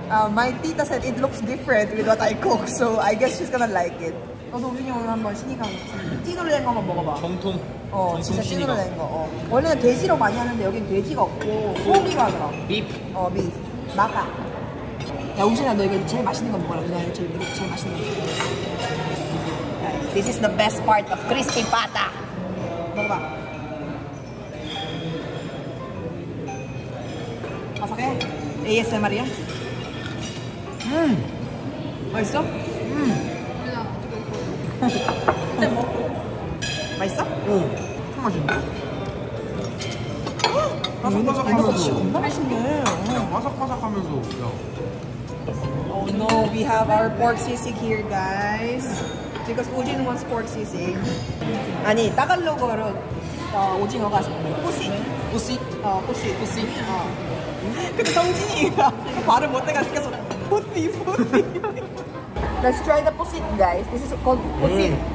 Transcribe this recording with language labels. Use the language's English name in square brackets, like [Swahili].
[English] My tita said it looks different with what I cook. So I guess she's gonna like it. [Korean] 너도 우진이 오늘 한번 신이강 찐으로 된 거 한번 먹어봐. 정통. 어, 진짜 찐으로 된 거. 어. 원래는 돼지로 많이 하는데 여긴 돼지가 없고 소고기가 들어. 비프. 어, 비프. 마카. 야, 우진아, 너 이거 제일 맛있는 거 먹어라. 우진아, 제일 맛있는 거. [English] This is the best part of crispy pata. [Korean] 먹어봐. 바삭해? ASMR이야? 맛있어? 맛있어? 응. 참 맛있네. 바삭바삭하면서. 바삭바삭하면서. [English] Oh no, we have our pork sisig here, guys. Because Ujin wants pork sisig. [Korean] 아니, 타갈로그로 오징어가 호식. 호식? 호식. 호식. 근데 성진이가 발음 못 돼가지고 계속 호식, 호식. [English] Let's try the pusit, guys. This is called pusit.